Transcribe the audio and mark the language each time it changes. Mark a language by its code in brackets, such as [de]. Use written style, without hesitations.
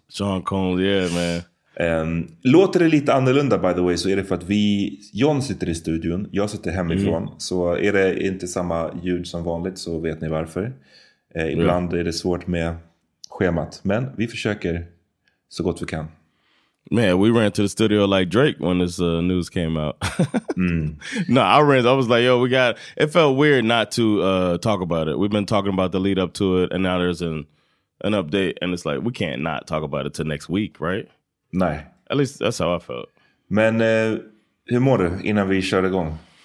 [en] Sean Combs, yeah man. [sv] Låter det lite annorlunda, [en] by the way, [sv] så är det för att John sitter i studion, jag sitter hemifrån. Mm. Så är det inte samma ljud som vanligt, så vet ni varför. Ibland är det svårt med schemat, men vi försöker så gott vi kan. [en] Man, we ran to the studio like Drake when this news came out. No, I was like, yo, it felt weird not to talk about it. We've been talking about the lead up to it, and now there's an update, and it's like, we can't not talk about it till next week, right? [sv] Nej. [en] At least that's how I felt. [sv] Men hur mår du innan vi kör igång?